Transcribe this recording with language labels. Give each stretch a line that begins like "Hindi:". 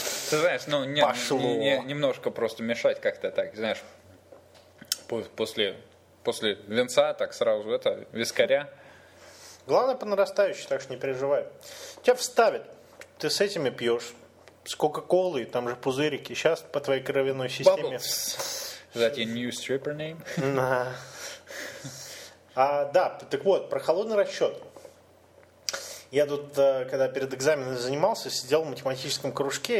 Russian: Ты знаешь, ну, немножко просто мешать как-то так, знаешь, после венца так сразу, это, вискаря. Главное по нарастающей, так что не переживай. Тебя вставят, ты с этими пьешь. С Кока-Колой, там же пузырики. Сейчас по твоей кровяной системе.
English: Is that your new stripper name?
Russian: Да, так вот, про холодный расчет. Я тут, когда перед экзаменом занимался, сидел в математическом кружке.